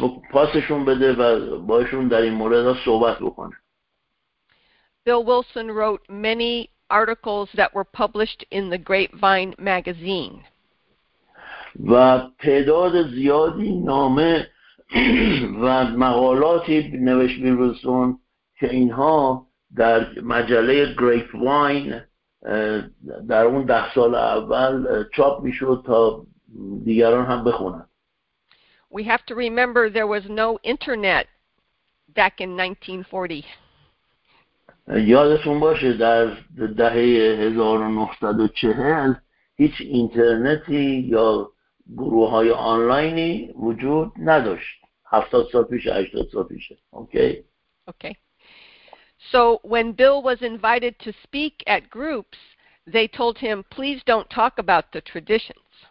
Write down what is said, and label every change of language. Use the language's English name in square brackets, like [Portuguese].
[Persian] پاسشون بده و باشون در این مورد صحبت بکنه. [English] Bill Wilson wrote many articles that were published in the Grapevine magazine. [Persian] و تعداد زیادی نامه و مقالاتی نوشت بیل ویلسون که اینها در مجله گریپ‌واین در اون 10 سال اول چاپ میشد تا دیگران هم بخونند. [English] We have to remember there was no internet back in 1940. [Persian] یادتون باشه در دهه 1940 هیچ اینترنتی یا گروه های آنلاینی وجود نداشت. 70 سال پیش، 80 سال پیش. Okay. [English] So when Bill was invited to speak at groups, they told him, please don't talk about the traditions.